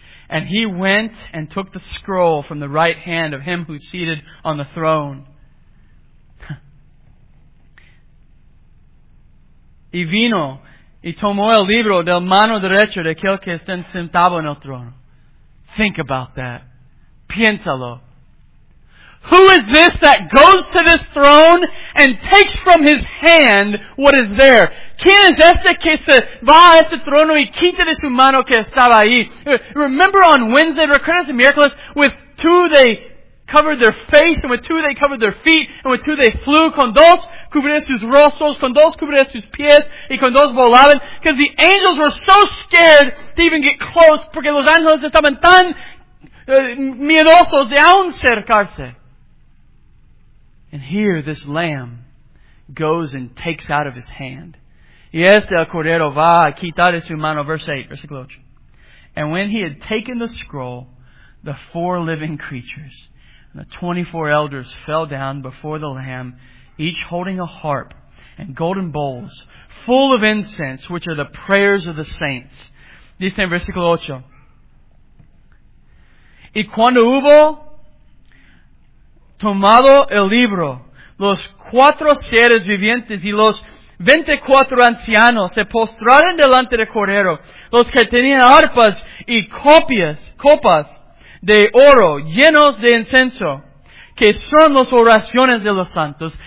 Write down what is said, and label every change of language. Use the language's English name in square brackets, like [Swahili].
[English] And he went and took the scroll from the right hand of him who seated on the throne. [Spanish] Y vino, y tomó el libro del mano derecho de aquel que está sentado en el trono. [English] Think about that. [Spanish] Piénsalo. [English] Who is this that goes to this throne and takes from his hand what is there? [Spanish] ¿Quién es este que se va a este trono y quita de su mano que estaba ahí? [English] Remember on Wednesday, [Spanish] recuerdas el miércoles, [English] with two they covered their face, and with two they covered their feet, and with two they flew, [Spanish] con dos cubrían sus rostros, con dos cubrían sus pies, y con dos volaban, [English] because the angels were so scared to even get close, [Spanish] porque los ángeles estaban tan miedosos de aún acercarse. [English] And here this lamb goes and takes out of his hand. [Spanish] Y este el cordero va a quitar de su mano. Versículo 8. [English] And when he had taken the scroll, the four living creatures, the 24 elders fell down before the Lamb, each holding a harp and golden bowls full of incense, which are the prayers of the saints. [Spanish] Dice en versículo 8. Y cuando hubo tomado el libro, los cuatro seres vivientes y los 24 ancianos se postraron delante del cordero, los que tenían arpas y copas de oro llenos de incenso, que son las oraciones de los santos.